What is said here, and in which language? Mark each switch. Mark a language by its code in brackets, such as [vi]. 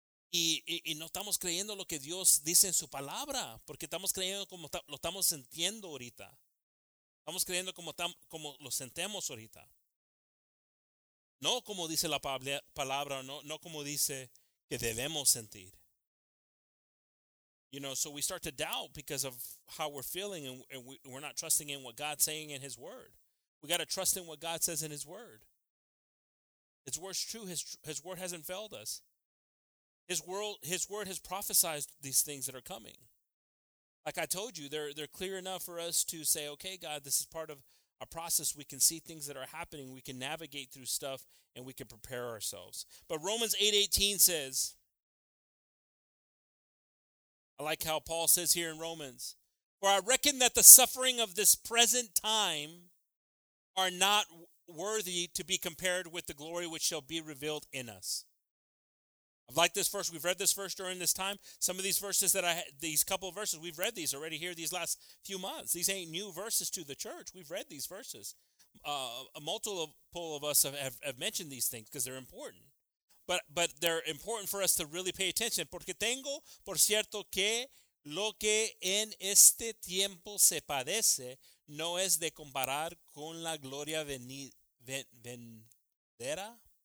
[es] Y no estamos creyendo lo que Dios dice en su palabra, porque estamos creyendo como lo estamos sintiendo ahorita. Estamos creyendo como lo sentemos ahorita. No como dice la palabra, no como dice que debemos sentir. [en] You know, so we start to doubt because of how we're feeling and we're not trusting in what God's saying in his word. We got to trust in what God says in his word. His word's true. His word hasn't failed us. His word has prophesied these things that are coming. Like I told you, they're clear enough for us to say, okay, God, this is part of a process. We can see things that are happening. We can navigate through stuff and we can prepare ourselves. But Romans 8:18 says, I like how Paul says here in Romans, "For I reckon that the suffering of this present time are not worthy to be compared with the glory which shall be revealed in us." I like this verse. We've read this verse during this time. Some of these verses we've read these already here these last few months. These ain't new verses to the church. We've read these verses. A multiple of us have mentioned these things because they're important. But they're important for us to really pay attention. [es] Porque tengo, por cierto, que lo que en este tiempo se padece no es de comparar con la gloria venidera.